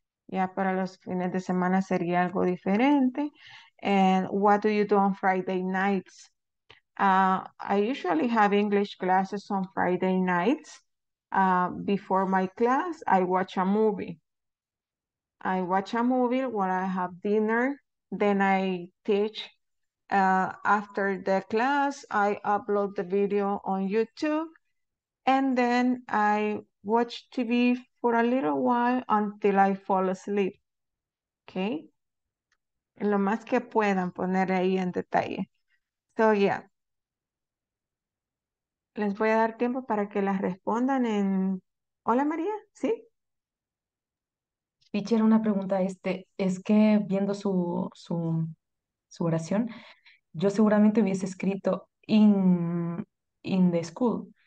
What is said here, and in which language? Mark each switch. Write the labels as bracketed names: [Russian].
[Spanish] Ya para los fines de semana sería algo diferente. [English] And what do you do on Friday nights? I usually have English classes on Friday nights. Before my class, I watch a movie. I watch a movie while I have dinner. Then I teach. After the class, I upload the video on YouTube. And then I watch TV for a little while until I fall asleep. Okay? [Spanish] Lo más que puedan poner ahí en detalle. [English] So, yeah. [Spanish] Les voy a dar tiempo para que las respondan en. Hola, María. ¿Sí? Pichera, una pregunta. Es que viendo su oración, yo seguramente hubiese escrito [English] in the school.